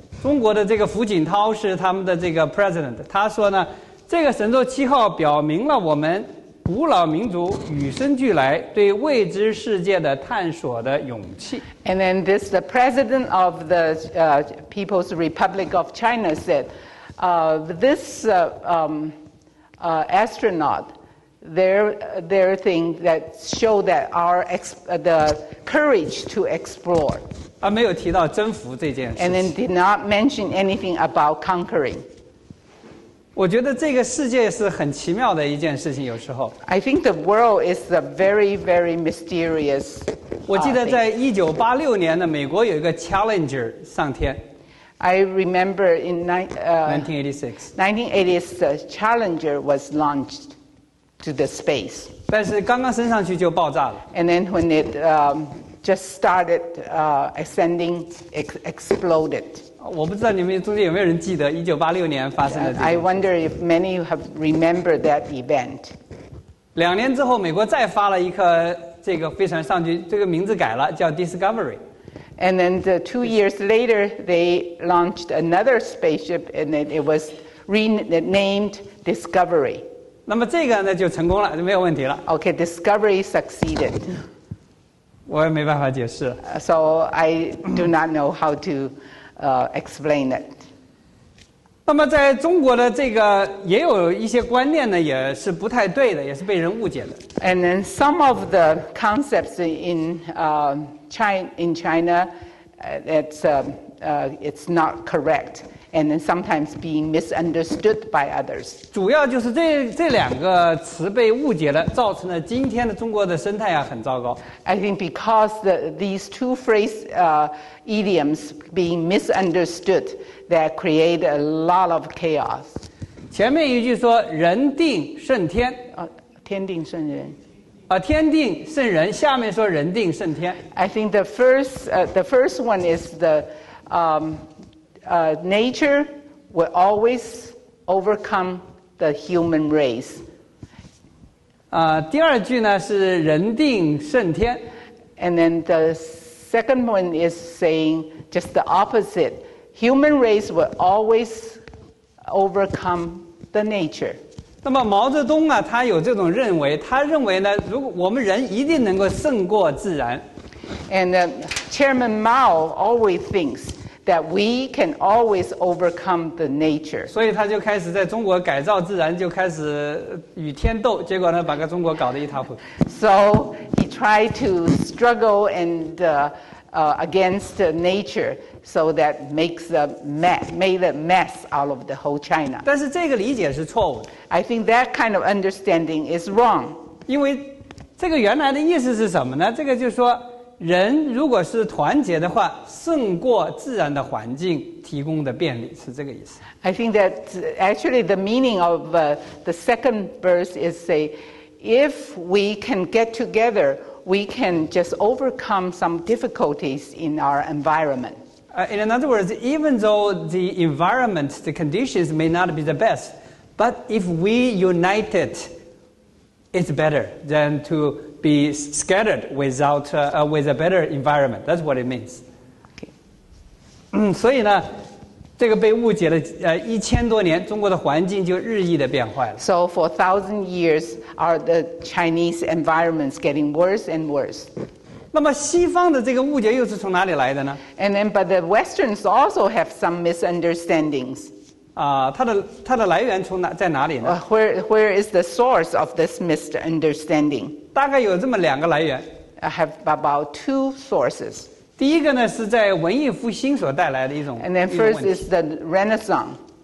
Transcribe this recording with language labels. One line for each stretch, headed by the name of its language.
Chinese: 中国的这个胡锦涛是他们的这个 president, 他说呢这个神舟七号表明了我们古老民族与生俱来对未知世界的探索的勇气。
English: And then this, the president of the People's Republic of China said,astronaut, their thing that show that our the courage to explore.
Chinese: 啊，没有提到征服这件事情。
English: And then did not mention anything about conquering.
Chinese: 我觉得这个世界是很奇妙的一件事情，有时候。
English: I think the world is a very, very mysterious.
Chinese: 我记得在1986年的美国有一个 Challenger 上天。
English: I remember in 1986, the Challenger was launched to the space.
Chinese: 但是刚刚升上去就爆炸了。
English: And then when it just started ascending, it exploded.
Chinese: 我不知道你们中间有没有人记得1986年发生的这个。
English: I wonder if many have remembered that event.
Chinese: 两年之后，美国再发了一颗这个飞船上去，这个名字改了，叫 Discovery。
English: And then the 2 years later, they launched another spaceship, and then it was renamed Discovery.
Chinese: 那么这个呢就成功了，就没有问题了。
English: Okay, Discovery succeeded.
Chinese: 我也没办法解释。
English: So I do not know how to explain it.
Chinese: 那么在中国的这个也有一些观念呢，也是不太对的，也是被人误解的。
English: And then some of the concepts in China, it's not correct, and then sometimes being misunderstood by others.
Chinese: 主要就是这两个词被误解了，造成了今天的中国的生态啊很糟糕。
English: I think because these two phrase idioms being misunderstood, that create a lot of chaos.
Chinese: 前面一句说人定胜天，天定胜人。天定胜人，下面说人定胜天。
English: I think the first one is nature will always overcome the human race.
Chinese: 第二句呢是人定胜天。
English: And then the second one is saying just the opposite. Human race will always overcome the nature.
Chinese: 那么毛泽东啊，他有这种认为，他认为呢，如果我们人一定能够胜过自然。
English: And Chairman Mao always thinks that we can always overcome the nature.
Chinese: 所以他就开始在中国改造自然，就开始与天斗，结果呢，把个中国搞得一塌糊涂。
English: So he tried to struggle and against nature. So that made a mess out of the whole China.
Chinese: 但是这个理解是错误。
English: I think that kind of understanding is wrong. 因为这个原来的意思是什么呢？这个就是说，人如果是团结的话，胜过自然的环境提供的便利，是这个意思。 I think that actually the meaning of the second verse is say, if we can get together, we can just overcome some difficulties in our environment. In other words, even though the environment, the conditions may not be the best, but if we united, it's better than to be scattered without, with a better environment. That's what it means. Okay.
Chinese: 所以呢，这个被误解了一千多年，中国的环境就日益的变坏了。
English: So for 1,000 years, are the Chinese environments getting worse and worse?
Chinese: 那么西方的这个误解又是从哪里来的呢
English: ？And then, but the Westerns also have some misunderstandings.
Chinese: 它的来源从哪在哪里呢
English: ？Where is the source of this misunderstanding?
Chinese: 大概有这么两个来源。
English: I have about two sources.
Chinese: 第一个呢是在文艺复兴所带来的一种。
English: And then first is the Renaissance.